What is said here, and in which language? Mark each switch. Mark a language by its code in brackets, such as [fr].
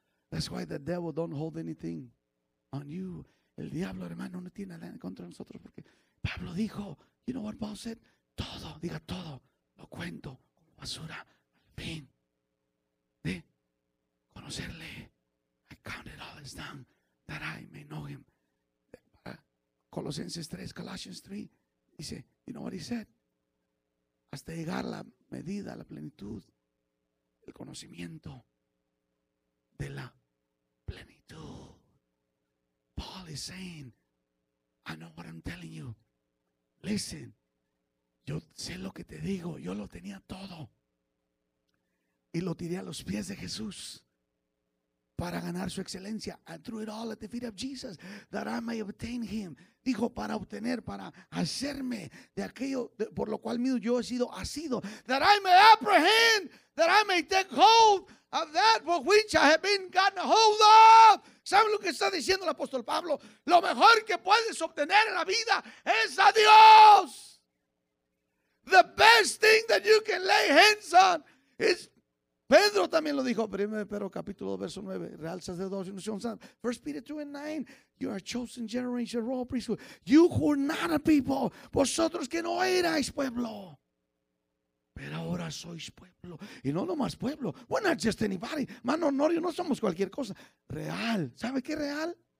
[en] That's why the devil don't hold anything on you. [es] El diablo, hermano, no tiene nada en contra de nosotros. Porque Pablo dijo, [en] you know what Paul said? [es] Todo, diga todo, lo cuento como basura. Al fin de conocerle. [en] I count it all as done that I may know him. [es] Colosenses 3, Colossians 3. Dice, [en] you know what he said? [es] Hasta llegar a la medida, a la plenitud, el conocimiento de la plenitud. [en] Paul is saying, I know what I'm telling you. [es] Listen, yo sé lo que te digo. Yo lo tenía todo. Y lo tiré a los pies de Jesús para ganar su excelencia. [en] I threw it all at the feet of Jesus that I may obtain him. [es] Dijo, para obtener, para hacerme de aquello de, por lo cual mío yo he sido asido. [en] That I may apprehend, that I may take hold of that for which I have been gotten hold of. [es] ¿Saben lo que está diciendo el apóstol Pablo? Lo mejor que puedes obtener en la vida es a Dios. [en] The best thing that you can lay hands on is. [es] Pedro también lo dijo, 1 Pedro capítulo 2, verso 9, Real Sacerdote, Unción Santa, [en] 1 Peter 2 and 9, you are a chosen generation, royal priesthood, you who are not a people, [es] vosotros que no erais pueblo, pero ahora sois pueblo, y no nomás pueblo, [en] we're not just anybody, [es] mano honorio, no somos cualquier cosa, real, ¿sabe qué real?